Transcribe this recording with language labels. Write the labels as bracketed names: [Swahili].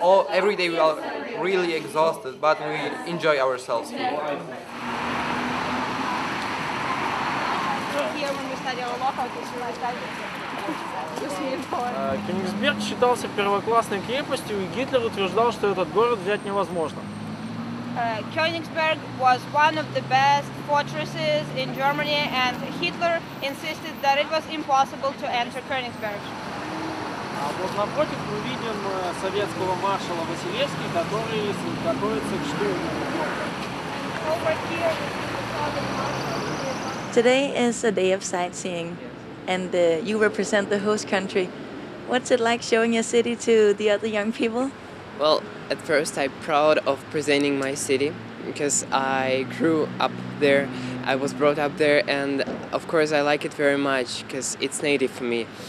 [English] Every day we are really exhausted, but we enjoy ourselves. We're here when we study our local culture, like that. [Russian] Кенигсберг считался первоклассной крепостью, и Гитлер утверждал, что этот город взять невозможно. [English] Königsberg was one of the best fortresses in Germany, and Hitler insisted that it was impossible to enter Königsberg. [Russian] А вот напротив мы видим советского маршала Василевский, который готовится к штурму. [English] Today is a day of sightseeing. And you represent the host country. What's it like showing your city to the other young people? Well, at first I'm proud of presenting my city because I grew up there, I was brought up there, and of course I like it very much because it's native for me.